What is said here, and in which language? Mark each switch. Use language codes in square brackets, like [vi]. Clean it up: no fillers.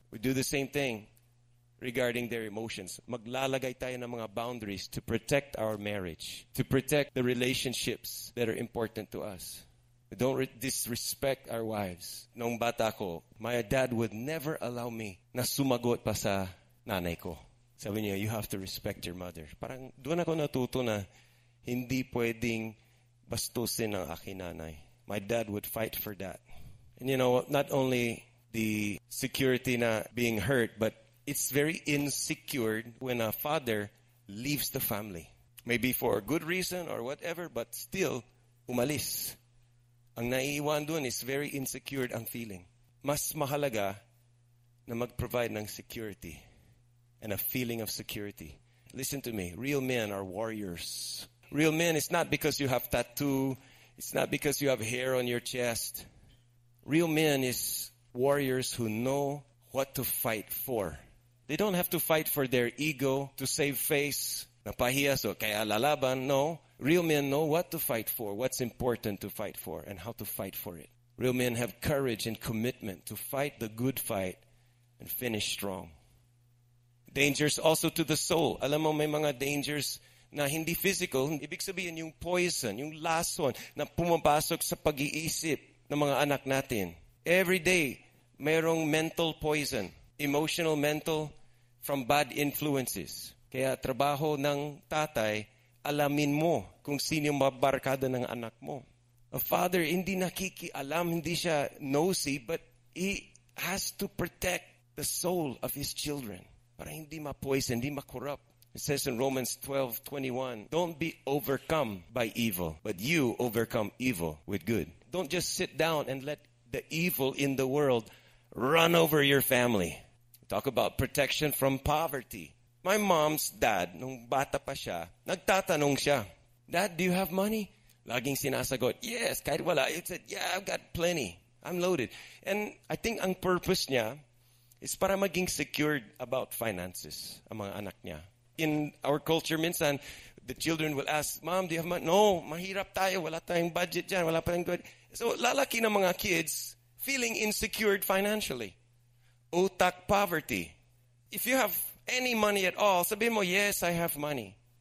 [en] We do the same thing regarding their emotions. [tl] Maglalagay tayo ng mga [en] boundaries to protect our marriage, to protect the relationships that are important to us. We don't disrespect our wives. [tl] Nung bata ko, [en] my dad would never allow me [tl] na sumagot pa sa nanay ko. Sabi niya, [en] you have to respect your mother. [tl] Parang doon ako natuto na hindi pwedeng bastusin ang aking nanay. [en] My dad would fight for that. And you know, not only the security na being hurt, but it's very insecure when a father leaves the family. Maybe for a good reason or whatever, but still, [tl] umalis. Ang naiiwan doon is very insecure ang feeling. Mas mahalaga na mag-provide ng security [en] and a feeling of security. Listen to me, real men are warriors. Real men, it's not because you have tattoo, it's not because you have hair on your chest. Real men is warriors who know what to fight for. They don't have to fight for their ego to save face. [tl] Napahiya so kaya lalaban. [en] No. Real men know what to fight for, what's important to fight for, and how to fight for it. Real men have courage and commitment to fight the good fight and finish strong. Dangers also to the soul. [tl] Alam mo, may mga dangers na hindi physical. Ibig sabihin yung poison, yung lason na pumapasok sa pag-iisip ng mga anak natin. [en] Every day, [tl] mayroong [en] mental poison, emotional, mental, from bad influences. [tl] Kaya trabaho ng tatay, alamin mo kung sino yung mabarkada ng anak mo. [en] A father, [tl] hindi nakikialam, hindi siya [en] nosy, but he has to protect the soul of his children. [tl] Para hindi ma-poison, hindi ma-corrupt. [en] It says in Romans 12:21, don't be overcome by evil, but you overcome evil with good. Don't just sit down and let the evil in the world run over your family. Talk about protection from poverty. My mom's dad, [tl] nung bata pa siya, nagtatanong siya, [en] Dad, do you have money? [tl] Laging sinasagot, [en] yes, [tl] kahit wala. [en] He said, yeah, I've got plenty. I'm loaded. And I think [tl] ang purpose niya is para maging secured about finances ang mga anak niya. [en] In our culture, [tl] minsan, [en] the children will ask, Mom, do you have money? [tl] No, mahirap tayo. Wala tayong budget dyan. Wala pa tayong good. So lalaki ng mga kids [en] feeling insecure financially. [tl] Utak poverty. [en] If you have any money at all, [tl] sabi mo, [en] yes, I have money.